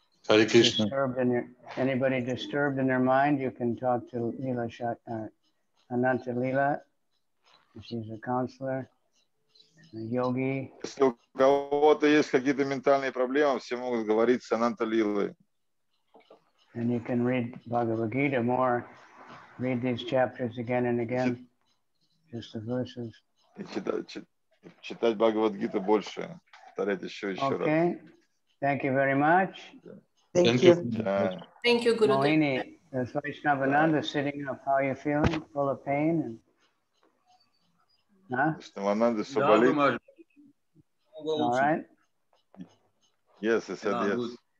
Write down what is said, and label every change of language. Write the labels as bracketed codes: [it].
[en] Anybody disturbed in their mind, you can talk to Leela Ananta Leela. She's a counselor, a yogi. [ru] Если у кого-то есть какие-то ментальные проблемы, все могут говорить с Ананта Лилой. [en] And you can read Bhagavad-gita more. Read these chapters again and again. Just the verses. [ru] Читать Бхагавад-гиту больше. Повторять еще [en] okay. [ru] раз. [en] Okay. Thank you very much. Thank you. Yeah. Thank you, Guru. Malini, there's Vaishnavananda sitting up. How are you feeling? Full of pain? Vaishnavananda, so bali. All right? Yes, I said yes.